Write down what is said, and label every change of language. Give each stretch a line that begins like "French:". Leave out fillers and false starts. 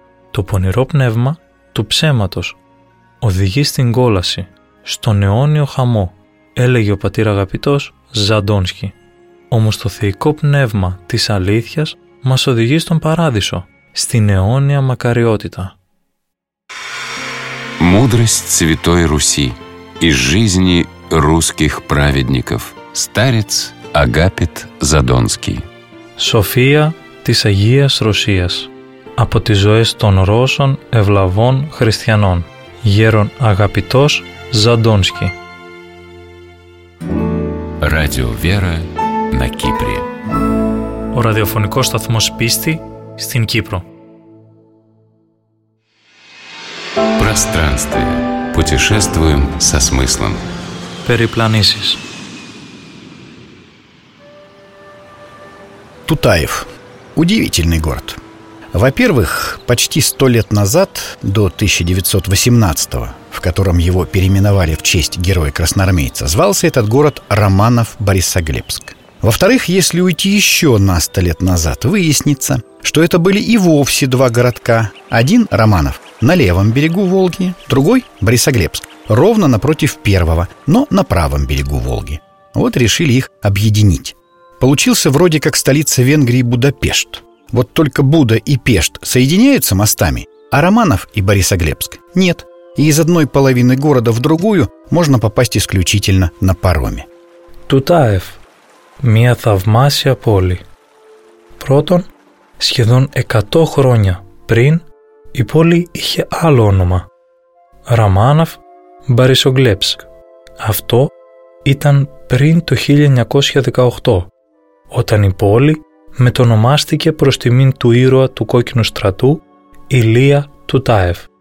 Greek: Το πονηρό πνεύμα του ψέματος οδηγεί στην κόλαση, στον αιώνιο χαμό, έλεγε ο πατήρ Αγαπητός Ζαντόνσκι. Όμως το θεϊκό πνεύμα της αλήθειας μας οδηγεί στον παράδεισο, στην αιώνια μακαριότητα.
Russian: Мудрость Святой Руси из жизни русских праведников. Старец Агапит Задонский.
Greek: Σοφία της Αγίας Ρωσίας. Από τις ζωές των Ρώσων ευλαβών χριστιανών. Γέρον Αγαπητός Ζαντόνσκι.
Russian: Radio Vera на Кипре.
Greek: Ο ραδιοφωνικός σταθμός πίστη στην Κύπρο.
Russian: Пространстве. Путешествуем со смыслом.
Greek: Перипланисис.
Russian: Тутаев. Удивительный город. Во-первых, почти 100 лет назад, до 1918-го, в котором его переименовали в честь героя красноармейца, звался этот город Романов-Борисоглебск. Во-вторых, если уйти еще на 100 лет назад, выяснится, что это были и вовсе два городка. Один – Романов, на левом берегу Волги, другой – Борисоглебск, ровно напротив первого, но на правом берегу Волги. Вот решили их объединить. Получился вроде как столица Венгрии Будапешт. Вот только Буда и Пешт соединяются мостами, а Романов и Борисоглебск – нет. И из одной половины города в другую можно попасть исключительно на пароме.
Greek: Тутаев. Μια θαυμάσια πόλη. Πρώτον, σχεδόν 100 χρόνια πριν η πόλη είχε άλλο όνομα. Ραμάνοφ Μπορισογλέπσκ. Αυτό ήταν πριν το 1918, όταν η πόλη μετονομάστηκε προς τιμήν του ήρωα του κόκκινου στρατού Ηλία Τουτάεφ.